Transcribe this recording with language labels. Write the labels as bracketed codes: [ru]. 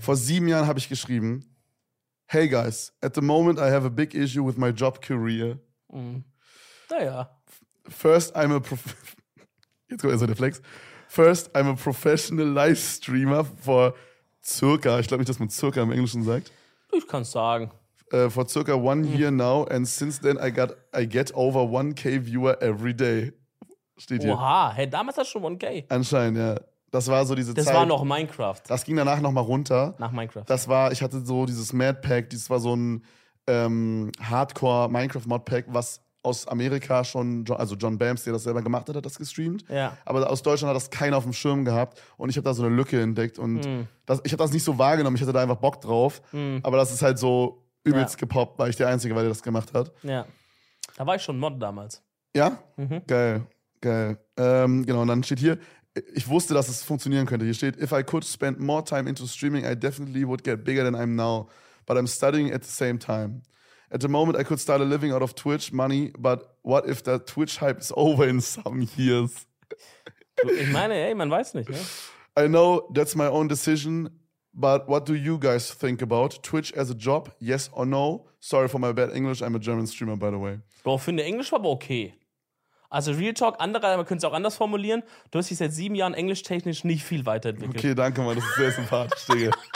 [de] Vor 7 Jahren habe ich geschrieben, [en] hey guys, at the moment I have a big issue with my job career. [de] Mhm. Naja. Jetzt kommt der Flex. [en] First, I'm a professional Livestreamer for circa, [de] ich glaube nicht, dass man circa im Englischen sagt. Ich kann es sagen. [en] For circa 1 year now and since then I get over 1k viewer every day. [de] Steht hier. Oha, hey, damals hast du schon 1k. Anscheinend, ja. Das war so diese Zeit. Das war noch Minecraft. Das ging danach nochmal runter. Nach Minecraft. Das war, ich hatte so dieses Modpack, das war so ein Hardcore-Minecraft-Modpack, was aus Amerika schon, also John Bams, der das selber gemacht hat das gestreamt. Ja. Aber aus Deutschland hat das keiner auf dem Schirm gehabt. Und ich habe da so eine Lücke entdeckt. Und ich habe das nicht so wahrgenommen, ich hatte da einfach Bock drauf. Mm. Aber das ist halt so übelst gepoppt, weil ich der Einzige war, der das gemacht hat. Ja. Da war ich schon Mod damals. Ja? Mhm. Geil, geil. Genau, und dann steht hier, ich wusste, dass es funktionieren könnte. Hier steht, [en] if I could spend more time into streaming, I definitely would get bigger than I'm now. But I'm studying at the same time. At the moment, I could start a living out of Twitch money, but what if the Twitch hype is over in some years? [de] Ich meine, ey, man weiß nicht, ne? [en] I know that's my own decision, but what do you guys think about Twitch as a job? Yes or no? Sorry for my bad English, I'm a German streamer, by the way. [de] Bro, finde Englisch aber okay. Also Real Talk, andere, man könnte es auch anders formulieren, du hast dich seit 7 Jahren englischtechnisch nicht viel weiterentwickelt. Okay, danke, Mann, das ist sehr sympathisch, Digga.